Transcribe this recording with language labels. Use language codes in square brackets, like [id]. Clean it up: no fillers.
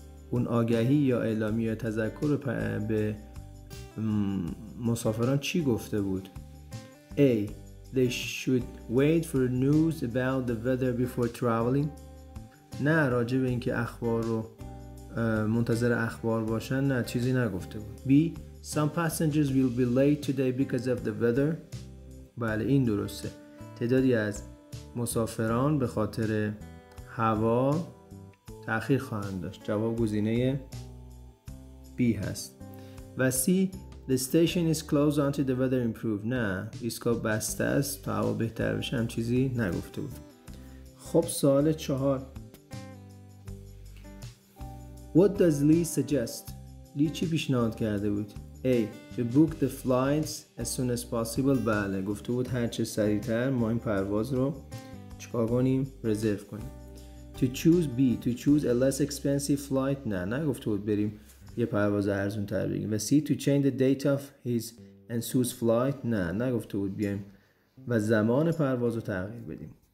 [fa] اون آگهی یا اعلامیه تذکر رو به مسافران چی گفته بود؟ A. [en] They should wait for news about the weather before traveling. [fa] نه، راجع به اینکه اخبار رو منتظر اخبار باشن نه، چیزی نگفته بود. B. [en] Some passengers will be late today because of the weather. [fa] بله، این درسته. تعدادی از مسافران به خاطر هوا تأخیر خواهند داشت. جواب گزینه B هست. و C. [en] The station is closed until the weather improves. [fa] نه، ایستگاه بسته است تا هوا بهتر بشه، هم چیزی نگفته بود. خب سوال 4. [en] What does Lee suggest? [fa] Lee چی پیشنهاد کرده بود؟ A. [en] To book the flights as soon as possible. [fa] بله، گفته بود هر چه سریعتر ما این پرواز رو چکار کنیم؟ رزرو کنیم. [en] To choose B. To choose a less expensive flight. [fa] نه، نگفته بود بریم یه پرواز ارزون تر بگیم. و C. [en] To change the date of his and Sue's flight. [fa] نه، نگفته بود بیایم و زمان پرواز رو تغییر بدیم.